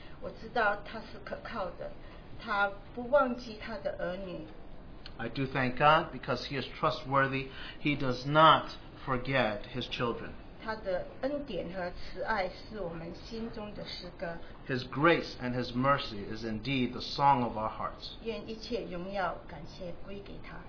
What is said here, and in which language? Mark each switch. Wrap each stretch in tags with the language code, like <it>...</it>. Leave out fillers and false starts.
<zh>我知道他是可靠的，他不忘记他的儿女。</zh> <en>I do thank God because He is trustworthy. He does not forget His children.</en> <zh>他的恩典和慈爱是我们心中的诗歌。</zh> <en>His grace and His mercy is indeed the song of our hearts.</en> <zh>愿一切荣耀感谢归给他。</zh>